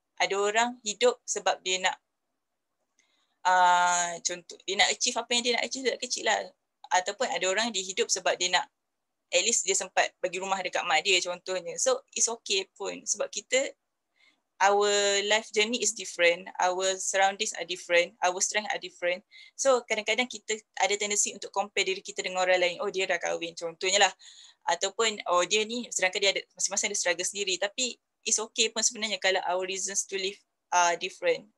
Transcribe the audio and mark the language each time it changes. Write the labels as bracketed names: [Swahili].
[Malay] Ada orang hidup sebab dia nak, contoh, dia nak achieve apa yang dia nak achieve, dia kecil lah. Ataupun ada orang dia hidup sebab dia nak, [English] at least [Malay] dia sempat bagi rumah dekat mak dia contohnya. [English] So, it's okay [Malay] pun sebab kita, [English] our life journey is different, our surroundings are different, our strength are different. [Malay] So kadang-kadang kita ada tendency untuk compare diri kita dengan orang lain. Oh dia dah kahwin contohnya lah. Ataupun oh dia ni, sedangkan dia ada masing-masing ada struggle sendiri. Tapi [English] it's okay [Malay] pun sebenarnya kalau [English] our reasons to live are different.